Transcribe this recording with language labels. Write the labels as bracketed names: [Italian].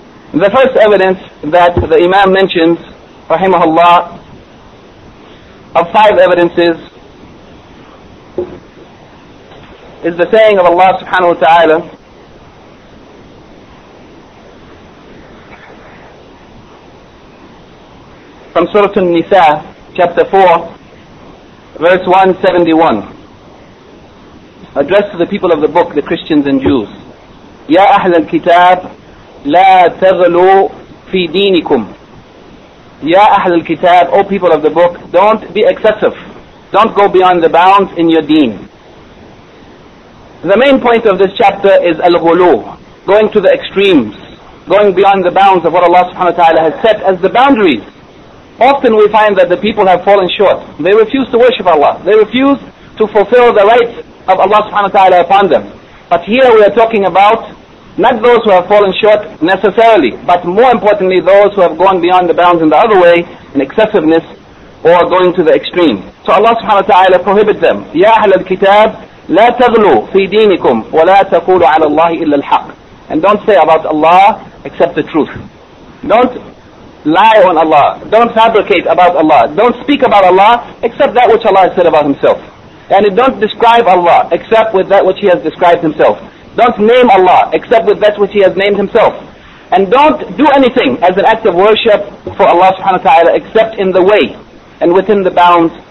[English] The first evidence that the Imam mentions, rahimahullah, of five evidences, is the saying of Allah subhanahu wa ta'ala, from Surah An-Nisa, chapter 4, verse 171, addressed to the people of the book, the Christians and Jews. [Arabic] Ya أهل الكتاب لا تغلوا في دينكم. Ya أهل الكتاب, [English] O people of the book, don't be excessive. Don't go beyond the bounds in your deen. The main point of this chapter is al-ghulu, going to the extremes, going beyond the bounds of what Allah subhanahu wa ta'ala has set as the boundaries. Often we find that the people have fallen short. They refuse to worship Allah. They refuse to fulfill the rights of Allah subhanahu wa ta'ala upon them. But here we are talking about not those who have fallen short necessarily, but more importantly those who have gone beyond the bounds in the other way, in excessiveness or going to the extreme. So Allah subhanahu wa ta'ala prohibits them. [Arabic] Ya أهل الكتاب لا تغلوا في دينكم ولا تقولوا على الله إلا الحق. [English] And don't say about Allah except the truth. Don't lie on Allah. Don't fabricate about Allah. Don't speak about Allah except that which Allah has said about Himself. And don't describe Allah except with that which He has described Himself. Don't name Allah except with that which He has named Himself. And don't do anything as an act of worship for Allah subhanahu wa ta'ala except in the way and within the bounds